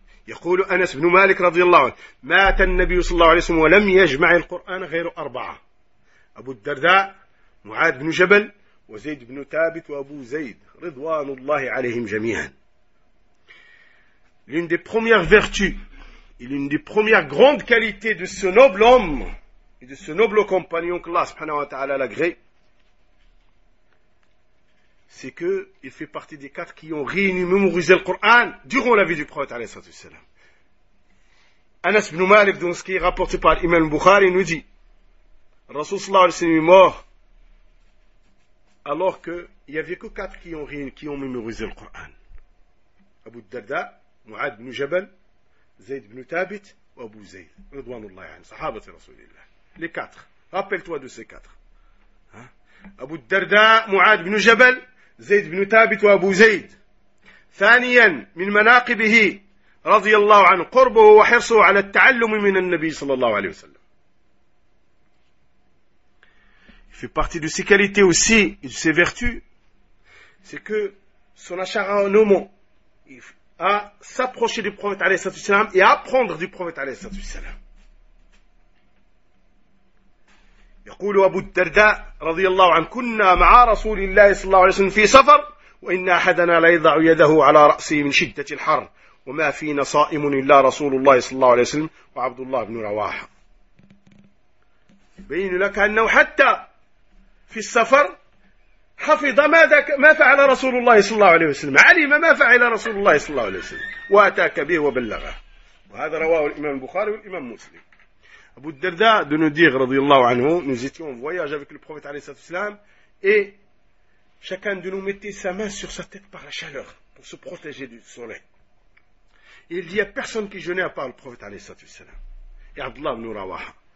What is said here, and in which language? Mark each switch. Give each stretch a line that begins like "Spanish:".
Arabic: يقول أنس بن مالك رضي الله عنه مات النبي صلى الله عليه وسلم ولم يجمع القرآن غير أربعة: أبو الدرداء، معاذ بن جبل، وزيد بن ثابت، وأبو زيد رضوان الله عليهم جميعا.
French: L'une des premières vertus et l'une des premières grandes qualités de ce noble homme et de ce noble compagnon qu'Allah subhanahu wa ta'ala l'agré, c'est qu'il fait partie des quatre qui ont réuni, mémorisé le Coran durant la vie du prophète, alayhi sallallahu alayhi. Anas ibn Malik, dans ce qui est rapporté par l'imam Bukhari, nous dit, Rasul sallallahu alayhi sallam est mort, alors qu'il n'y avait que quatre qui ont réuni, qui ont mémorisé le Coran. Abu Darda, Mu'ad ibn Jabal, Zayd ibn Thabit, ou Abu Zayd, Ridwanullahi alayhi, sahabati Rasulillah. Les quatre. Rappelle-toi de ces quatre.
Arabic: أبو الدرداء معاذ بن جبل زيد بن ثابت وأبو زيد. ثانيا من مناقبه رضي الله عنه قربه وحرصه على التعلم من النبي صلى الله عليه وسلم.
French: في partie de ses qualités aussi et de ses vertus, c'est que son acharnement à s'approcher du prophète
Arabic: عليه الصلاة والسلام
French: et apprendre du prophète عليه الصلاة والسلام.
Arabic: يقول أبو الدرداء رضي الله عنه كنا مع رسول الله صلى الله عليه وسلم في سفر وإن أحدنا لا يضع يده على رأسه من شدة الحر وما فينا صائم إلا رسول الله صلى الله عليه وسلم وعبد الله بن رواحة. يبين لك أنه حتى في السفر حفظ ما فعل رسول الله صلى الله عليه وسلم، علم ما فعل رسول الله صلى الله عليه وسلم وأتاك به وبلغه، وهذا رواه الإمام البخاري والإمام مسلم.
French: Abu Darda de nous dire, radiyallahu anhu, nous étions en voyage avec le prophète alayhi sallallahu alayhi wa sallam et chacun de nous mettait sa main sur sa tête par la chaleur pour se protéger du soleil. Et il n'y a personne qui jeûnait à part le prophète alayhi sallallahu alayhi wa sallam. Et Abdullah ibn Rawaha.